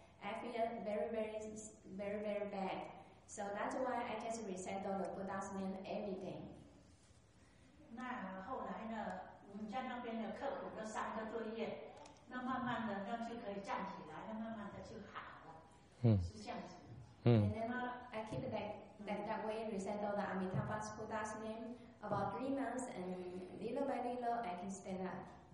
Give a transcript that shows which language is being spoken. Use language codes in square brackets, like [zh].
[en] I feel very, very, very, very bad. So that's why I just recite all the Buddha's name every day. [zh] 那后来呢，我们在那边刻苦了三个多月。 [en] And then I keep that way, recite all the Amitabha Buddha's name about 3 months, and little by little I can stand up.